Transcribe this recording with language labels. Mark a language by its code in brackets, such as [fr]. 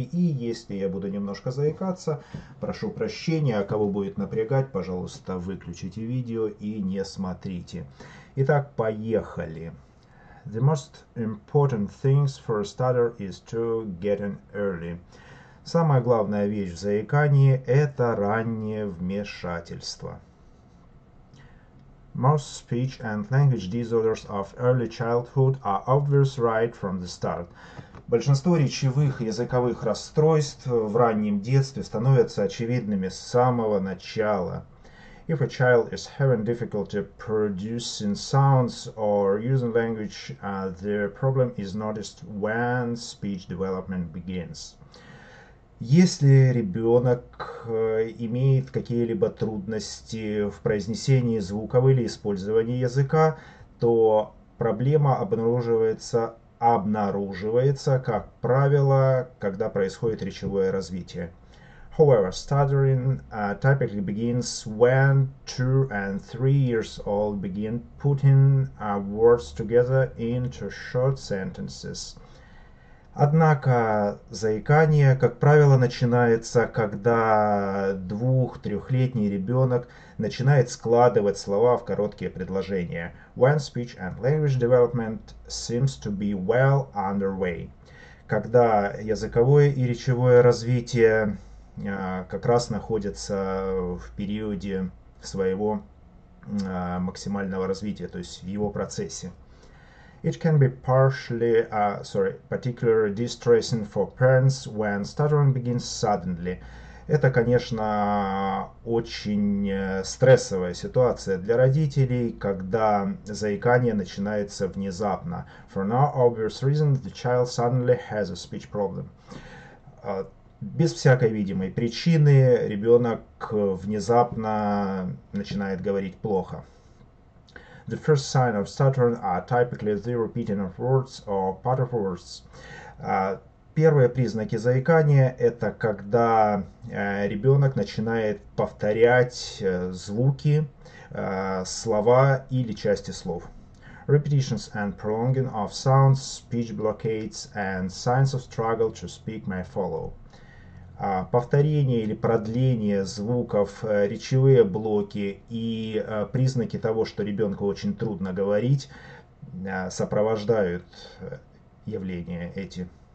[ru] И если я буду немножко заикаться, прошу прощения, а кого будет напрягать, пожалуйста, выключите видео и не смотрите. Итак, поехали. [en] The most important things for a starter is to get in early. [ru] Самая главная вещь в заикании – это раннее вмешательство. [en] Most speech and language disorders of early childhood are obvious right from the start. [ru] Большинство речевых и языковых расстройств в раннем детстве становятся очевидными с самого начала. [en] If a child is having difficulty producing sounds or using language, the problem is noticed when speech development begins. [ru] Если ребенок имеет какие-либо трудности в произнесении звуков или использовании языка, то проблема обнаруживается, как правило, когда происходит речевое развитие. [en] However, stuttering typically begins when 2 and 3 years old begin putting words together into short sentences. [ru] Однако заикание, как правило, начинается, когда 2-3-летний ребенок начинает складывать слова в короткие предложения. [en] When speech and language development seems to be well underway. [ru] Когда языковое и речевое развитие как раз находится в периоде своего максимального развития, то есть в его процессе. [en] It can be particularly distressing for parents when stuttering begins suddenly. [ru] Это, конечно, очень стрессовая ситуация для родителей, когда заикание начинается внезапно. [en] For no obvious reason, the child suddenly has a speech problem. [ru] Без всякой видимой причины ребенок внезапно начинает говорить плохо. [en] The first sign of stuttering are typically the repeating of words or part of words. [ru] Первые признаки заикания – это когда ребенок начинает повторять звуки, слова или части слов. [en] Repetitions and prolonging of sounds, speech blockades and signs of struggle to speak may follow. [ru] Повторение или продление звуков, речевые блоки и признаки того, что ребенку очень трудно говорить, сопровождают явления эти.